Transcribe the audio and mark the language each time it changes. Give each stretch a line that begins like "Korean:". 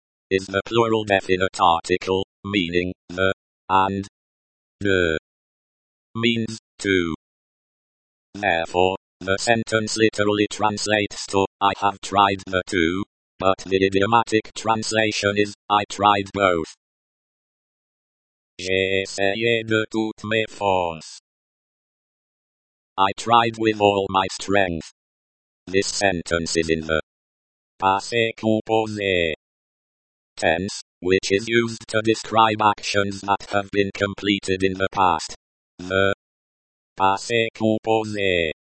English: is the plural definite article, meaning the, and
French: de
English: means to. Therefore, the sentence literally translates to I have tried the two, but the idiomatic translation is I tried both.
French: J'ai essayé de toutes mes forces.
English: I tried with all my strength. This sentence is in the
French: passé composé
English: tense, which is used to describe actions that have been completed in the past. The passé composé